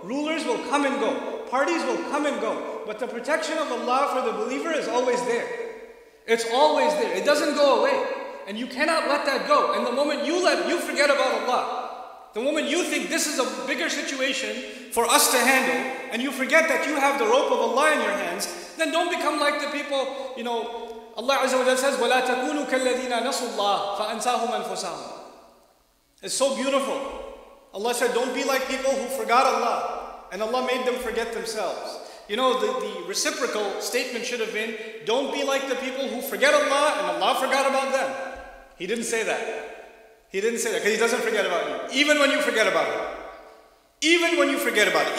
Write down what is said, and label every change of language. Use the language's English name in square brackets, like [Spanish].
[English] Rulers will come and go. Parties will come and go. But the protection of Allah for the believer is always there. It's always there. It doesn't go away. And you cannot let that go. And the moment you forget about Allah. The moment you think this is a bigger situation for us to handle, and you forget that you have the rope of Allah in your hands, then don't become like the people, you know, [Arabic] Allah Azza wa Jalla says, وَلَا تَكُونُوا كَالَّذِينَ نَسُوا اللَّهِ فَأَنْسَاهُمْ أَنْفُسَهُمْ. [English] It's so beautiful. Allah said, don't be like people who forgot Allah. And Allah made them forget themselves. You know, the reciprocal statement should have been, don't be like the people who forget Allah and Allah forgot about them. He didn't say that. He didn't say that because He doesn't forget about you. Even when you forget about Him. Even when you forget about it.